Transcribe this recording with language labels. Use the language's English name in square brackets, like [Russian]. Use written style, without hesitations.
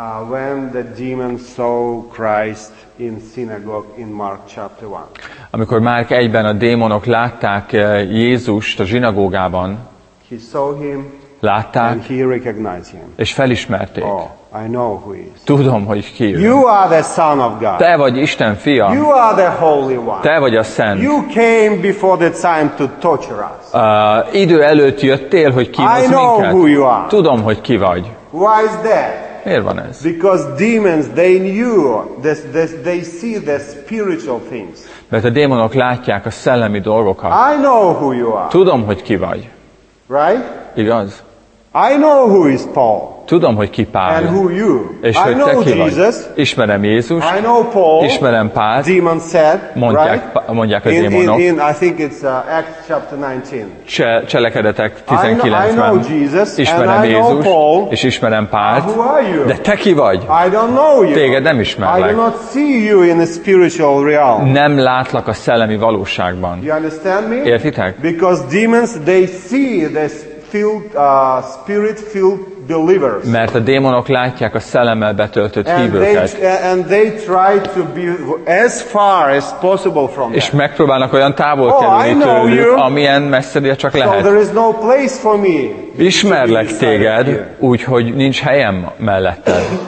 [English] When the demon saw Christ in synagogue in Mark chapter 1. [Hungarian] Amikor Márk 1-ben a démonok látták Jézust a zsinagógában, [English] he saw him, [Hungarian] látták, [English] and he recognized him. [Hungarian] És felismerték. [English] Oh. I know who he is. [Hungarian] Tudom, hogy ki ő. [English] You are the Son of God. [Hungarian] Te vagy Isten fia. [English] You are the Holy One. [Hungarian] Te vagy a Szent. [English] You came before the time to torture us. [Hungarian] Idő előtt jöttél, hogy kihoz minket. [English] I know who you are. [Hungarian] Tudom, hogy ki vagy. [English] Why is that? [Hungarian] Miért van ez? [English] Because demons, they knew this, they see the spiritual things. [Hungarian] Mert a démonok látják a szellemi dolgokat. [English] I know who you are. [Hungarian] Tudom, hogy ki vagy. [English] Right? [Hungarian] Igaz. [English] I know who is Paul. [Hungarian] Tudom, hogy ki Pál. [English] And who you? [Hungarian] És hogy [English] I know [Hungarian] te ki vagy. [English] Jesus. [Hungarian] Ismerem Jézus. [English] I know Paul. [Hungarian] Ismerem Pált. [English] Demon said, [Hungarian] mondják, [English] right? [Hungarian] Mondják a démonok. [English] In I think it's Acts chapter 19. [Hungarian] Cselekedetek 19-ben. [English] I know Jesus. [Hungarian] Ismerem Jézus. És ismerem Pált. [English] Who are you? [Hungarian] De te ki vagy? [English] I don't know you. [Hungarian] Téged nem ismerlek. [English] I do not see you in a spiritual realm. [Hungarian] Nem látlak a szellemi valóságban. [English] You understand me? [Hungarian] Értitek? [English] Because demons, they see this filled, spirit-filled believers. [Hungarian] Mert a démonok látják a szellemmel betöltött [English] and [Hungarian] hívőket. [English] They try to be as far as possible from [Hungarian] és megpróbálnak olyan távol kerülni tőlük, amilyen messzire csak lehet. [English] So there is no place for me. [Hungarian] Ismerlek téged, úgyhogy nincs helyem melletted.